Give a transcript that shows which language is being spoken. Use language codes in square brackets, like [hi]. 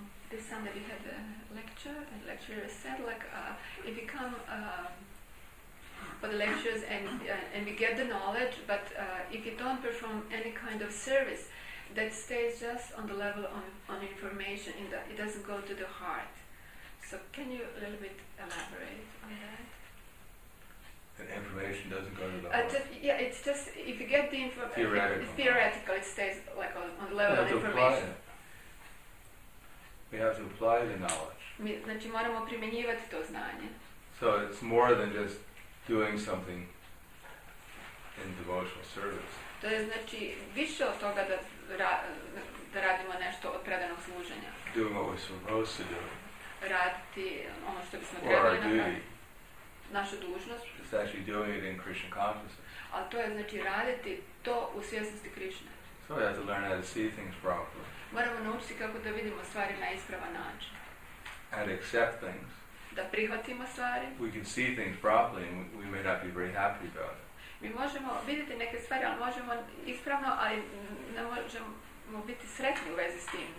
[en] This Sunday we had a lecture, and the lecturer said, like, if we come for the lectures and we get the knowledge, but if you don't perform any kind of service, that stays just on the level on information, in that it doesn't go to the heart. So can you a little bit elaborate on that? That information doesn't go to the heart. It's just, if you get the information, theoretical, it stays like on the level of information. We have to apply the knowledge. [hr] Mi, znači, moramo primjenjivati to znanje. [en] So it's more than just doing something in devotional service. [hr] To je znači više od toga da da radimo nešto od predanog služenja. [en] Doing what we're supposed to do. [hr] Raditi ono što bismo trebali napraviti. Naša dužnost. [en] It's actually doing it in Krishna consciousness. [hr] Ali to je znači raditi to u svjesnosti Krishna. [en] So we have to learn how to see things properly. [hr] Moramo naučiti kako da vidimo stvari na ispravan način. [en] And accept things. [hr] Da prihvatimo stvari. [en] We can see things properly and we may not be very happy about it. [hr] Mi možemo vidjeti neke stvari, ali možemo ispravno, ali ne možemo biti sretni u vezi s tim.